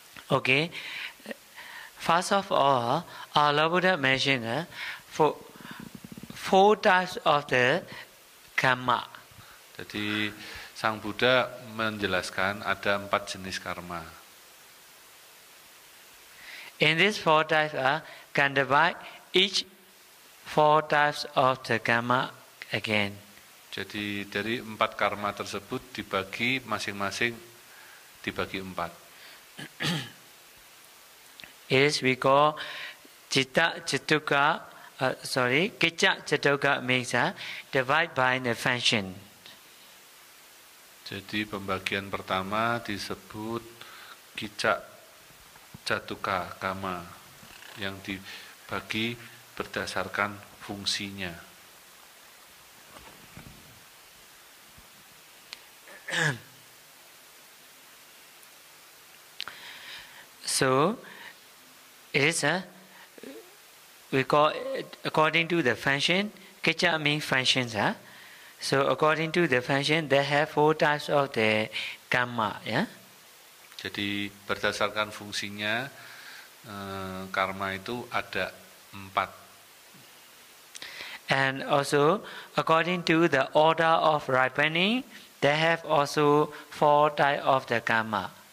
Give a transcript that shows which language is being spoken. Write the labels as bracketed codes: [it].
[en] Okay, first of all, our Lord Buddha mentioned four types of the karma. [id] Jadi, Sang Buddha menjelaskan ada empat jenis karma. [en] In these four types, can divide each four types of the karma again. [id] Jadi, dari empat karma tersebut dibagi masing-masing, dibagi empat. [en] Is we call citta cetuka, kicca cetuka means divide by the function. [id] Jadi pembagian pertama disebut kicca cetuka kama, yang dibagi berdasarkan fungsinya. [en] So it is we call it according to the function. Kicca means functions, so according to the function, they have four types of the karma, [id] Jadi berdasarkan fungsinya, karma itu ada empat. [en] And also according to the order of ripening, they have also four types of the karma.